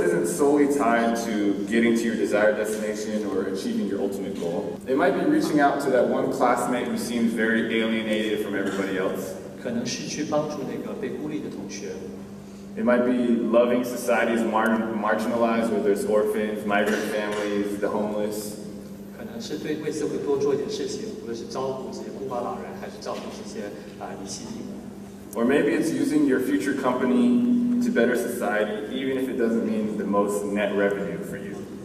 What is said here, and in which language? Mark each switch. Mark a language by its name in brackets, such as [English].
[English] isn't solely tied to getting to your desired destination or achieving your ultimate goal. It might be reaching out to that one classmate who seems very alienated from everybody else. [Chinese] 可能是去帮助那个被孤立的同学。 [English] It might be loving societies marginalized, whether it's orphans, migrant families, the homeless. [Chinese] 可能是对为社会多做一点事情，无论是照顾这些孤寡老人，还是照顾这些遗弃的。 [English] Or maybe it's using your future company to better society, even if it doesn't mean the most net revenue for you.